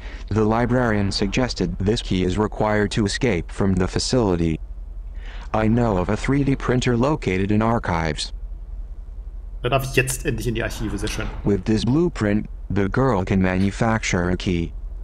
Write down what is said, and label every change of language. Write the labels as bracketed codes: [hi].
[en] The librarian suggested this key is required to escape from the facility. I know of a 3D printer located in archives. [de] Da darf ich jetzt endlich in die Archive, sehr schön. [en] With this blueprint, the girl can manufacture a key.